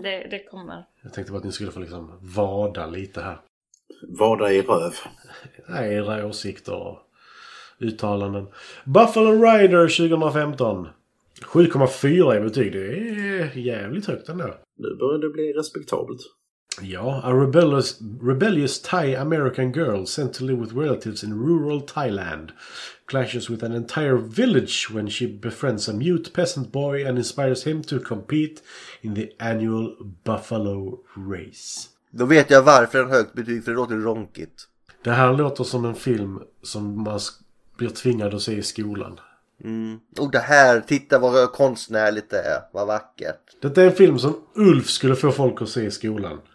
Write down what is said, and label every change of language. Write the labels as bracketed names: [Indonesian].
[Swedish] Det kommer. Jag tänkte bara att ni skulle få liksom vada lite här. Vada i röv? Nej, era åsikter och uttalanden. Buffalo Rider 2015. 7,4 i betyg. Det är jävligt högt ändå. Nu börjar det bli respektabelt. [English] Ja, a rebellious Thai American girl sent to live with relatives in rural Thailand clashes with an entire village when she befriends a mute peasant boy and inspires him to compete in the annual Buffalo Race. [Swedish] Då vet jag varför en högt betyg, för det låter ronkigt. Det här låter som en film som man blir tvingad att se i skolan. Och det här, titta vad konstnärligt det är. Vad vackert. Detta är en film som Ulf skulle få folk att se i skolan.